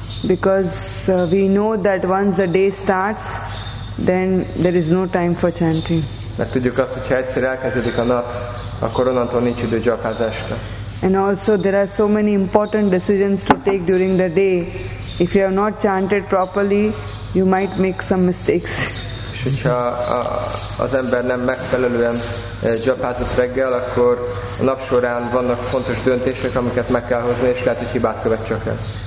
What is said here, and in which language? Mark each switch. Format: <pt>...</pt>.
<en>Because we know that once the day starts, then there is no time for chanting.</en> <hu>Mert tudjuk azt, hogy egyszer elkezdődik a nap, akkor onnantól nincs idő japázásra.</hu> <en>And also there are so many important decisions to take during the day. If you have not chanted properly, you might make some mistakes.</en> <hu>És hogyha az ember nem megfelelően japázott reggel, akkor a nap során vannak fontos döntések, amiket meg kell hozni, és lehet, hogy hibát követ csak el.</hu>